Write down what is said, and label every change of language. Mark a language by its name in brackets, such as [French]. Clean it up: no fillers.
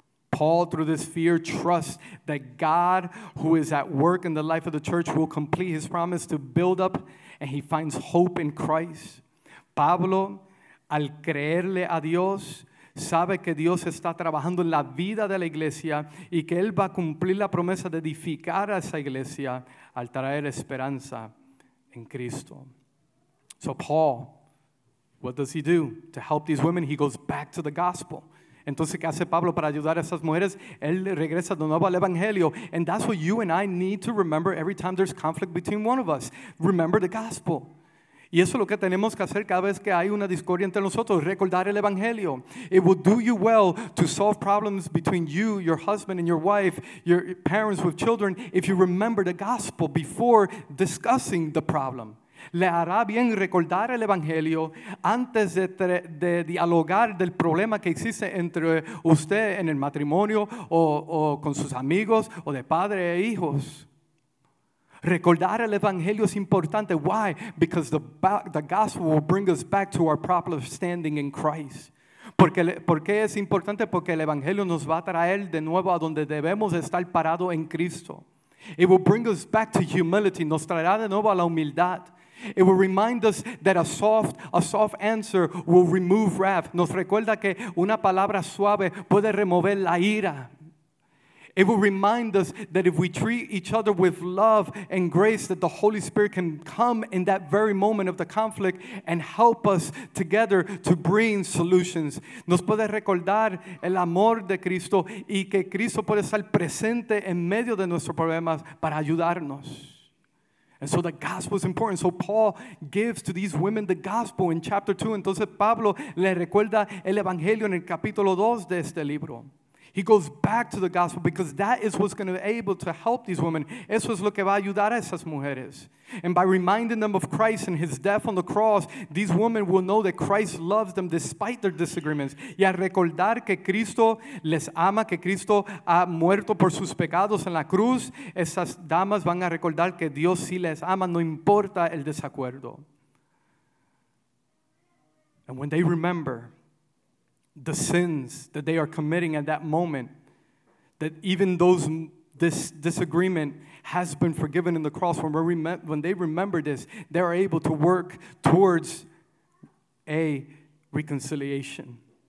[English] Paul, through this fear, trusts that God, who is at work in the life of the church, will complete his promise to build up, and he finds hope in Christ. [Spanish] Pablo, al creerle a Dios, sabe que Dios está trabajando en la vida de la iglesia y que él va a cumplir la promesa de edificar a esa iglesia al traer esperanza en Cristo. [English] So Paul, what does he do to help these women? He goes back to the gospel. [Spanish] Entonces, ¿qué hace Pablo para ayudar a esas mujeres? Él regresa de nuevo al Evangelio. [English] And that's what you and I need to remember every time there's conflict between one of us. Remember the gospel. [Spanish] Y eso es lo que tenemos que hacer cada vez que hay una discordia entre nosotros, recordar el Evangelio. [English] It would do you well to solve problems between you, your husband, and your wife, your parents with children, if you remember the gospel before discussing the problem. [Spanish] Le hará bien recordar el Evangelio antes de dialogar del problema que existe entre usted en el matrimonio o con sus amigos o de padre e hijos. Recordar el Evangelio es importante. [English] Why? Because the gospel will bring us back to our proper standing in Christ. [Spanish] ¿Por qué es importante? Porque el Evangelio nos va a traer de nuevo a donde debemos estar parado en Cristo. [English] It will bring us back to humility. [Spanish] Nos traerá de nuevo a la humildad. [English] It will remind us that a soft answer will remove wrath. [Spanish] Nos recuerda que una palabra suave puede remover la ira. [English] It will remind us that if we treat each other with love and grace, that the Holy Spirit can come in that very moment of the conflict and help us together to bring solutions. [Spanish] Nos puede recordar el amor de Cristo y que Cristo puede estar presente en medio de nuestros problemas para ayudarnos. [English] And so the gospel is important. So Paul gives to these women the gospel in chapter 2. [Spanish] Entonces Pablo le recuerda el Evangelio en el capítulo 2 de este libro. [English] He goes back to the gospel because that is what's going to be able to help these women. [Spanish] Eso es lo que va a ayudar a esas mujeres. [English] And by reminding them of Christ and his death on the cross, these women will know that Christ loves them despite their disagreements. [Spanish] Y al recordar que Cristo les ama, que Cristo ha muerto por sus pecados en la cruz, esas damas van a recordar que Dios sí les ama, no importa el desacuerdo. [English] And when they remember the sins that they are committing at that moment, that even those disagreement has been forgiven in the cross, when they remember this, they are able to work towards a reconciliation.